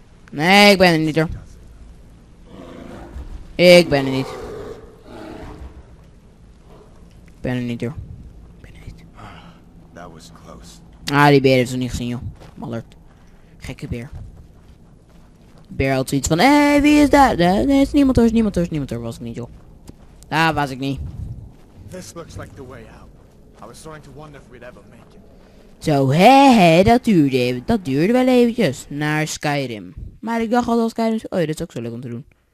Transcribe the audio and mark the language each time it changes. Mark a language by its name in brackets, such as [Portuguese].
[Dutch] Nee, ik ben er niet hoor. Ik ben er niet. Ik ben er niet hoor. Ik ben er niet. [English] That was close. [Dutch] Ah, die beer heeft ze niet gezien joh. Mallert. Gekke beer. Beer had zoiets van, hey, wie is dat? Nee, is niemand hoor, niemand hoor. Was ik niet joh. Daar was ik niet. [English] This looks like the way out. I was starting to wonder if we'd ever make it. [Dutch] Zo, hé, dat duurde wel eventjes. Naar Skyrim. Maar ik dacht al Skyrim. Oh ja, dat is ook zo leuk om te doen.